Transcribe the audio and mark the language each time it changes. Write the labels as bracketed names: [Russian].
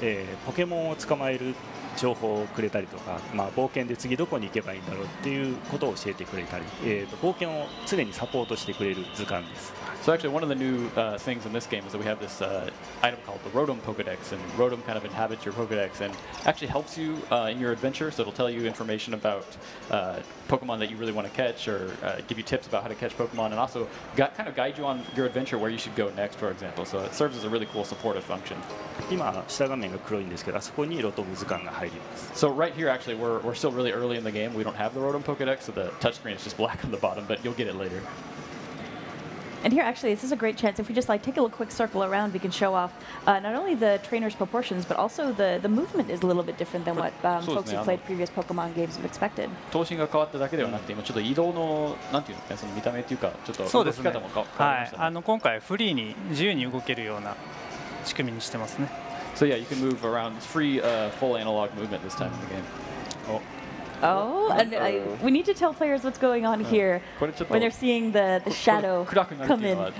[Japanese] まあ今回図鑑がちょっと変わった感じで新しくなってるんですけども、この今回の図鑑についてちょっともうちょっと話してもらえますか。そうですね。今回ロトム図鑑というものがあります。このロトム図鑑ですけども、ポケモンを捕まえる情報をくれたりとか、まあ、冒険で次どこに行けばいいんだろうっていうことを教えてくれたり、冒険を常にサポートしてくれる図鑑です。 [English] So actually one of the new things in this game is that we have this item called the Rotom Pokedex, and Rotom kind of inhabits your Pokedex and actually helps you in your adventure, so it'll tell you information about Pokemon that you really want to catch, or give you tips about how to catch Pokemon, and also kind of guide you on your adventure where you should go next, for example. So it serves as a really cool supportive function. So right here, actually, we're still really early in the game. We don't have the Rotom Pokedex, so the touchscreen is just black on the bottom, but you'll get it later. And here, actually, this is a great chance. If we just like take a little quick circle around, we can show off not only the trainer's proportions, but also the movement is a little bit different than what folks who played previous Pokemon games have expected. [Japanese] 頭身が変わっただけではなくて、今ちょっと移動のなんていうのか、その見た目っていうか、ちょっと動き方も変わりましたね。はい、今回フリーに自由に動けるような仕組みにしてますね。 [English] So yeah, you can move around. It's free, full analog movement this time in the game. Oh, and we need to tell players what's going on here when they're seeing the shadow come in.